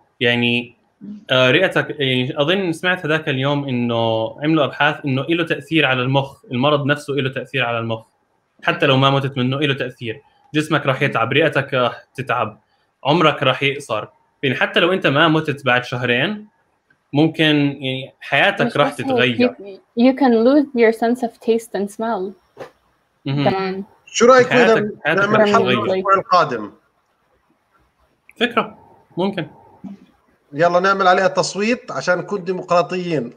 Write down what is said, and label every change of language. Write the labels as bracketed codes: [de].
[ar] يعني رئتك، يعني أظن سمعت هذاك اليوم إنه عملوا أبحاث إنه إله تأثير على المخ، المرض نفسه إله تأثير على المخ، حتى لو ما متت منه إله تأثير. جسمك راح يتعب، رئتك راح تتعب، عمرك راح يقصر. يعني حتى لو أنت ما متت بعد شهرين ممكن يعني حياتك راح تتغير. [en] You can lose your sense of taste and smell. [ar] شو رأيك نعمل حلقة الأسبوع القادم؟ فكرة ممكن. يلا نعمل عليها تصويت عشان نكون ديمقراطيين.